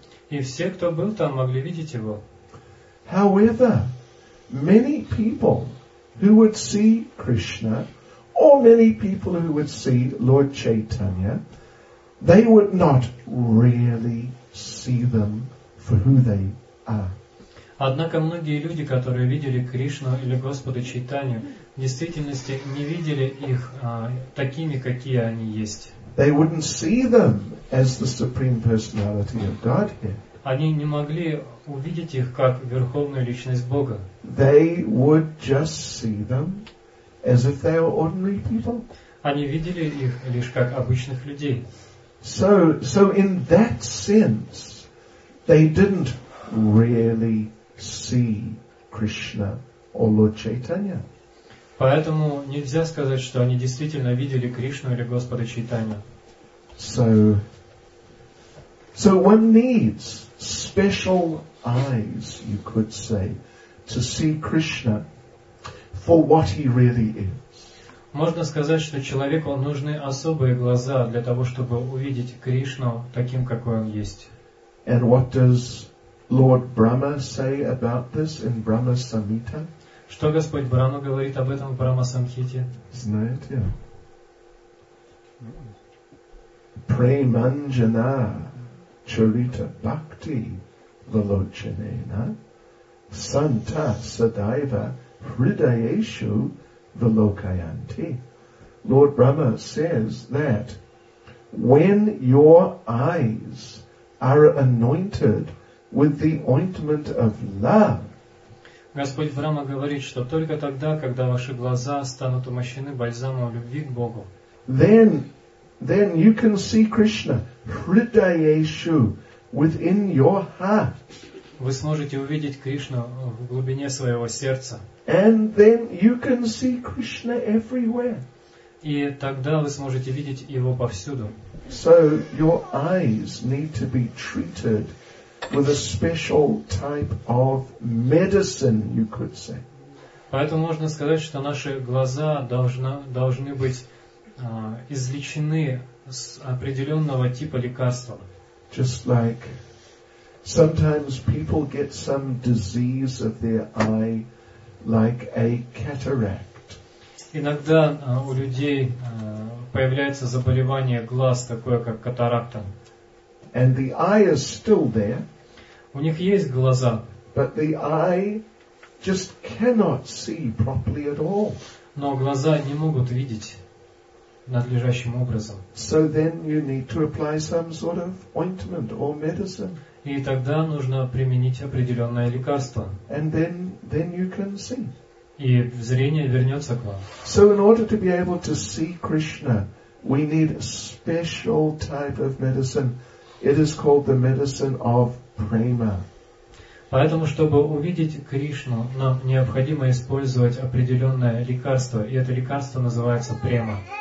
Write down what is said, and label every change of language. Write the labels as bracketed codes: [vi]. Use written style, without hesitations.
[ru] И все, кто был там, могли видеть его. [en] However, many people who would see Krishna, or many people who would see Lord Chaitanya, they would not really see them for who they are. [ru] Однако многие люди, которые видели Кришну или Господа Чайтанью, в действительности не видели их такими, какие они есть. [en] They wouldn't see them as the Supreme Personality of Godhead. [ru] Они не могли увидеть их как Верховную Личность Бога. [en] They would just see them as if they were ordinary people. [ru] Они видели их лишь как обычных людей. [en] So in that sense, they didn't really see Krishna or Lord Chaitanya. [ru] Поэтому нельзя сказать, что они действительно видели Кришну или Господа Чайтанью. [en] So one needs special eyes, you could say, to see Krishna for what he really is. [ru] Можно сказать, что человеку нужны особые глаза для того, чтобы увидеть Кришну таким, какой он есть. [en] And what does Lord Brahma say about this in Brahma Samhita? [ru] Что Господь Брама говорит об этом в Брама Самхите? Знаете? [sa] Преманджана чарита бхакти валочанена санта садайва хридаешу валокаянти. [en] Lord Brahma says that when your eyes are anointed with the ointment of love, [ru] Господь Брама говорит, что только тогда, когда ваши глаза станут умощены бальзамом любви к Богу, [en] then you can see Krishna hridayeshu within your heart. [ru] Вы сможете увидеть Кришну в глубине своего сердца. [en] And then you can see Krishna everywhere. [ru] И тогда вы сможете видеть его повсюду. [en] So your eyes need to be treated with a special type of medicine, you could say. [ru] Поэтому можно сказать, что наши глаза должны быть излечены с определенного типа лекарства. [en] Just like sometimes people get some disease of their eye, like a cataract. [ru] Иногда у людей появляется заболевание глаз, такое как катаракта. [en] And the eye is still there. [ru] У них есть глаза. [en] But the eye just cannot see properly at all. [ru] Но глаза не могут видеть надлежащим образом. [en] So then you need to apply some sort of ointment or medicine. [ru] И тогда нужно применить определенное лекарство. [en] And then you can see. [ru] И зрение вернется к вам. [en] So in order to be able to see Krishna, we need a special type of medicine. It is called the medicine of prema. [ru] Поэтому, чтобы увидеть Кришну, нам необходимо использовать определенное лекарство, и это лекарство называется према.